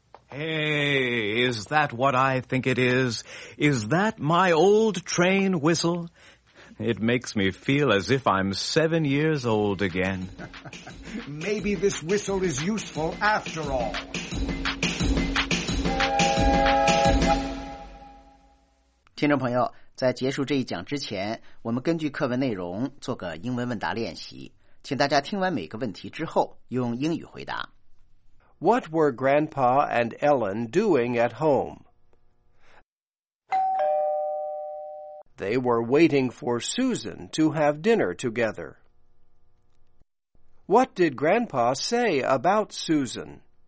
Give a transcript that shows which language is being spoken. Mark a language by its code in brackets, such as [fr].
[en] Hey, is that what I think it is? Is that my old train whistle? It makes me feel as if I'm 7 years old again. Maybe this whistle is useful after all. Listeners, [zh] 在结束这一讲之前，我们根据课文内容做个英文问答练习，请大家听完每个问题之后用英语回答。 [en] What were Grandpa and Ellen doing at home? They were waiting for Susan to have dinner together. What did Grandpa say about Susan?